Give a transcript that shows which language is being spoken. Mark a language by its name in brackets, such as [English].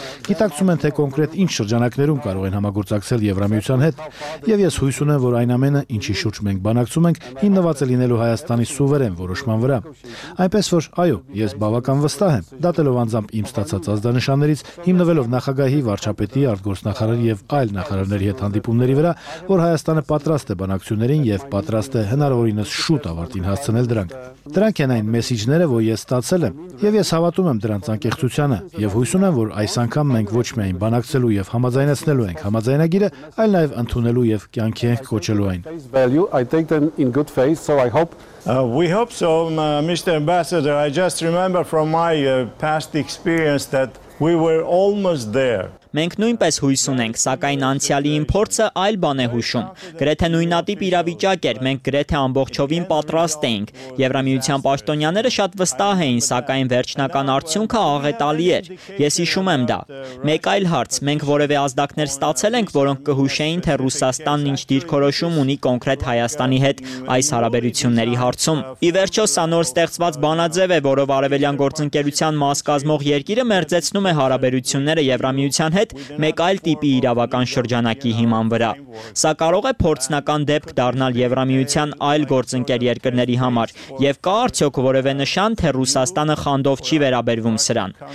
[Armenian] Գիտակցում են, թե կոնկրետ ինչ շրջանակներում կարող են համագործակցել Եվրամիության հետ, և ես հույսուն եմ, որ այն ամենը, ինչի շուրջ մենք բանակցում ենք, հիմնված է լինելու Հայաստանի սուվերեն որոշման վրա։ Այնպես որ, այո, ես բավական վստահ եմ, դատելով անձամբ իմ ստացած ազդանշաններից, հիմնվելով նախագահի, վարչապետի, արտգործնախարարի և այլ նախարարների հետ հանդիպումների վրա, որ Հայաստանը պատրաստ է բանակցություններին և պատրաստ է հնարավորինս շուտ ավարտին հասցնել դրանք։ Դրանք են այն մեսիջները, որ ես ստացել եմ, և ես հավատում եմ դրանց անկեղծությանը, և հույսուն եմ, որ այս անգամ մենք ոչ միայն բանակցելու և համաձայնեցնելու ենք համաձայնագիրը, այլ նաև ընդունելու և կյանքի ենք կոչելու այն։ [English] We hope so, Mr. Ambassador. I just remember from my past experience that we were almost there. [Armenian] Մենք նույնպես հույս ունենք, սակայն անցյալի իմ փորձը այլ բան է հուշում։ Գրեթե նույնատիպ իրավիճակ էր, մենք գրեթե ամբողջովին պատրաստ էինք։ Եվրամիության պաշտոնյաները շատ վստահ էին, սակայն վերջնական արդյունքը աղետալի էր։ Ես հիշում եմ դա։ Մեկ այլ հարց, մենք որևէ ազդակներ ստացել ենք, որոնք կհուշեին, թե Ռուսաստանն ինչ դիրքորոշում ունի կոնկրետ Հայաստանի հետ այս հարաբերությունների հարցում։ Ի վերջո, սա նոր ստեղծված բանաձև է, որով արևելյան գործընկերության մաս կազմող երկիրը մերձեցնում է հարաբերությունները Եվրամիության հետ մեկ այլ տիպի իրավական շրջանակի հիման վրա։ Սա կարող է փորձնական դեպք դառնալ Եվրամիության այլ գործընկեր երկրների համար, և կա արդյոք որևէ նշան, թե Ռուսաստանը խանդով չի վերաբերվում սրան։